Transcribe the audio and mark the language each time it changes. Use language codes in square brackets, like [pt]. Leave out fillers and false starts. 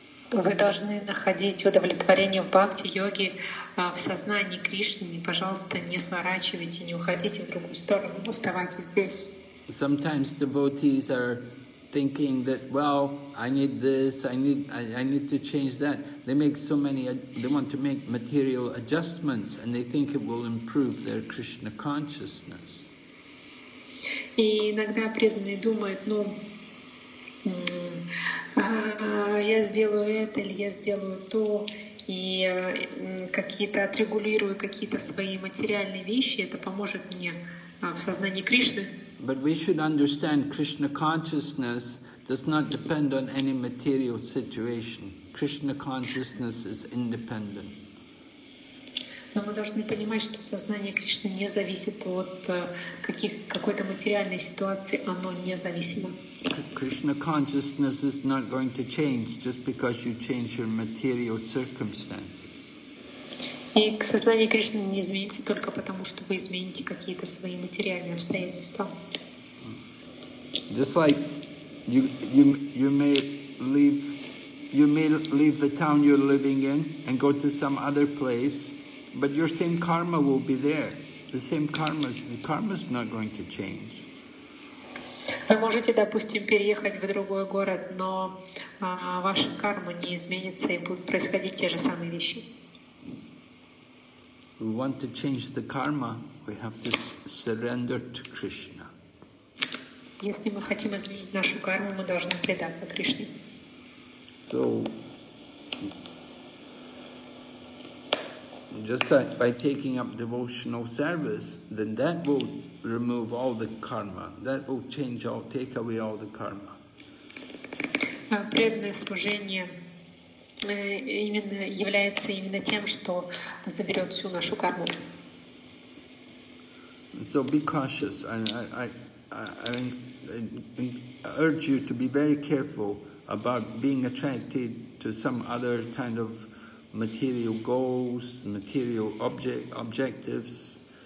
[ru] Вы должны находить удовлетворение в бхакти йоге в сознании Кришны. И, пожалуйста, не сворачивайте, не уходите в другую сторону, оставайтесь здесь. [en] Sometimes devotees are thinking that, well, I need this, I need to change that. They want to make material adjustments, and they think it will improve their Krishna consciousness. [ru] И иногда преданные думают, ну, я сделаю это или я сделаю то, и какие-то отрегулирую какие-то свои материальные вещи, это поможет мне в сознании Кришны. [en] But we should understand Krishna consciousness does not depend on any material situation. Krishna consciousness is independent. [ru] Но мы должны понимать, что сознание Кришны не зависит от какой-то материальной ситуации, оно независимо. [en] Krishna consciousness is not going to change just because you change your material circumstances. [ru] И сознание Кришны не изменится только потому, что вы измените какие-то свои материальные обстоятельства. [en] Just like you may leave the town you're living in and go to some other place, but your same karma will be there. The karma's not going to change. [ru] Вы можете, допустим, переехать в другой город, но ваша карма не изменится и будут происходить те же самые вещи. [en] We want to change the karma, we have to surrender to Krishna. [ru] Если мы хотим изменить нашу карму, мы должны предаться Кришне. [en] So, just like by taking up devotional service, then that will remove all the karma. That will change all, take away all the karma. [ru] Преданное служение именно является именно тем, что заберет всю нашу карму. [en] So be cautious. I urge you to be very careful about being attracted to some other kind of material goals, material objectives.